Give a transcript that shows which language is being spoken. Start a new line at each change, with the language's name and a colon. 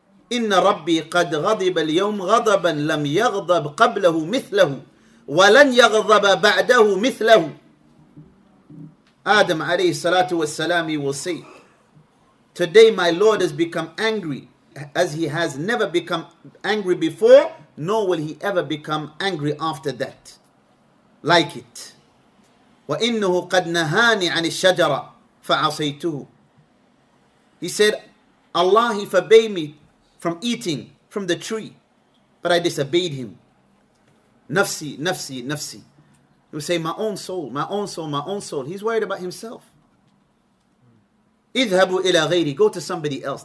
Arabic: إِنَّ رَبِّي قَدْ غَضِبَ الْيَوْمَ غَضَبًا لَمْ يَغْضَبْ قَبْلَهُ مِثْلَهُ وَلَنْ يَغْضَبَ بَعْدَهُ مِثْلَهُ.
English: Adam
Arabic: عليه الصلاة والسلام,
English: he will say, today my Lord has become angry as he has never become angry before, nor will he ever become angry after that. Like it.
Arabic: وَإِنَّهُ قَدْ نَهَانِ عَنِ الشَّجَرَةِ فَعَصَيْتُهُ.
English: He said, Allah, he forbade me from eating from the tree, but I disobeyed him.
Arabic: Nafsi, nafsi, nafsi.
English: He would say, my own soul, my own soul, my own soul. He's worried about himself.
Arabic: Idhabu ila ghayri,
English: go to somebody else.